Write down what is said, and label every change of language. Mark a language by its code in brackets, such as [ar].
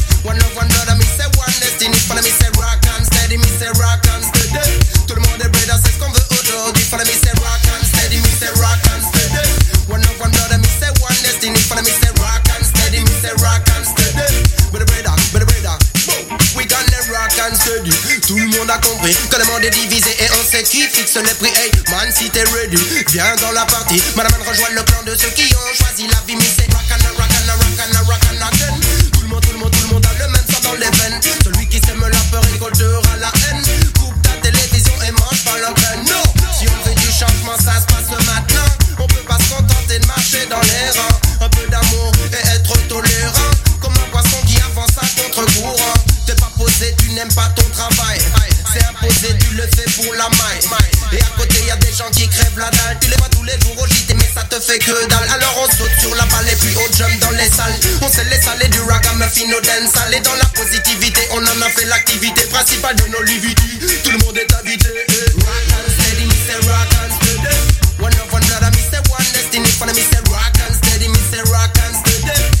[en] One of one brother, me say one destiny. Follow me say rock and steady, me say rock and steady. To the mother brother says come the other. Follow me say rock and steady, me say rock and steady. One of one brother, me say one destiny. Follow me say rock and steady, me say rock and steady. Brother, boom. We gonna rock and steady. [fr] Tout le monde a compris que le monde est divisé et on sait qui fixe les prix. Hey, man, si t'es ready, viens dans la partie. Madame, rejoins le clan de ceux qui ont choisi la vie. Mais c'est [en] rockin' and rockin' and rockin' and rockin' again. [fr] Tout le monde a le même sang dans les veines. Celui qui sème la peur récoltera la haine. Coupe ta télévision et mange pas l'antenne. Non, si on veut du changement, ça se passe maintenant. On peut pas se contenter de marcher dans les rangs. Un peu d'amour et être tolérant. Comme un poisson qui avance à contre-courant. T'es pas posé, tu n'aimes pas ton travail. C'est imposé, tu le fais pour la maille. Et à côté y'a des gens qui crèvent la dalle. Tu les vois tous les jours au JT mais ça te fait que dalle. Alors on saute sur la balle et puis on jump dans les salles. On sait les salles et du ragamuffin au dance. Aller dans la positivité, on en a fait l'activité principale de nos livides. Tout le monde est invité. [en] Rock and steady, me say rock and steady. One of one brother, me say one destiny. Follow me say rock and steady, me say rock and steady.